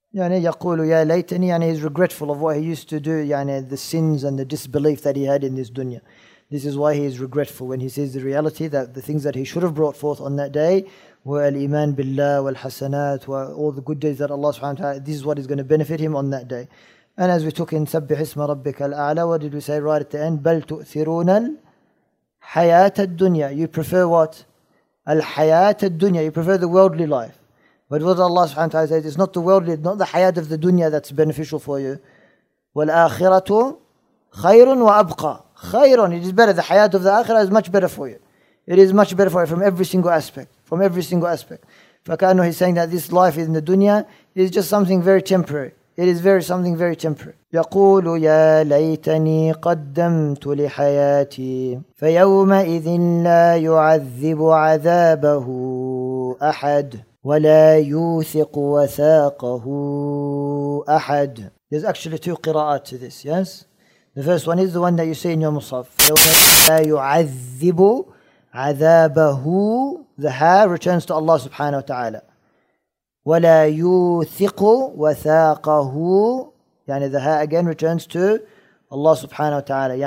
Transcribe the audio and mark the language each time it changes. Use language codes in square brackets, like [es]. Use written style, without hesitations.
[ar] يعني يقول يا ليتني, [en] يعني he's regretful of what he used to do, يعني the sins and the disbelief that he had in this dunya. This is why he is regretful when he sees the reality that the things that he should have brought forth on that day were al-iman billah wal-hasanat, all the good days that Allah subhanahu wa ta'ala, this is what is going to benefit him on that day. And as we took in [ar] سبح اسم ربك الأعلى, [en] what did we say right at the end? [ar] بل تؤثرون الحياة الدنيا. [en] You prefer what? [ar] الحياة الدنيا. [en] You prefer the worldly life. But what Allah subhanahu wa ta'ala says, it's not the worldly, not the hayat of the dunya that's beneficial for you. [ar] وَالْآخِرَةُ خَيْرٌ وَأَبْقَى. [en] خَيْرٌ, it is better. The hayat of the akhirah is much better for you. It is much better for you from every single aspect. From every single aspect. فَكَأَنُّهُ, he's saying that this life in the dunya is just something very temporary. It is very something very temporary. [ar] يقول يا ليتني قدمت لحياتي فيومئذ لا يعذب عذابه أحد ولا يوثق وثاقه أحد. [en] There's actually two قراءات to this, yes? The first one is the one that you say in your Musaf. [ar] لا يعذب عذابه, [en] the ha returns to Allah subhanahu wa ta'ala. [ar] وَلَا يُوثِقُ وَثَاقَهُ, [en] يعني the ha again returns to Allah subhanahu wa ta'ala.